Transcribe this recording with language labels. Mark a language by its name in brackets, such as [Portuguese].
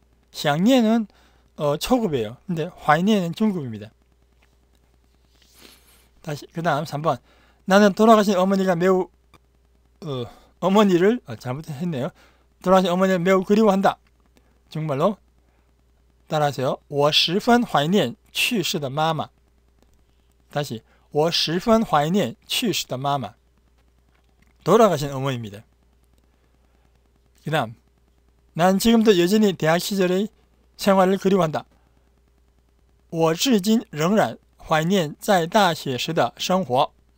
[Korean] 샹니엔은 초급이에요. 근데 화이닌은 중급입니다. 다시 그 다음 3번. 나는 돌아가신 어머니가 매우 어머니를 잘못했네요. 돌아가신 어머니를 매우 그리워한다. 정말로 따라하세요. [Chinese] 我十分怀念去世的妈妈. [Korean] 다시 [Chinese] 我十分怀念去世的妈妈. [Korean] 돌아가신 어머니입니다. 그 다음 난 지금도 여전히 대학 시절의 생활을 그리워한다. [Chinese] 我至今仍然怀念在大学时的生活.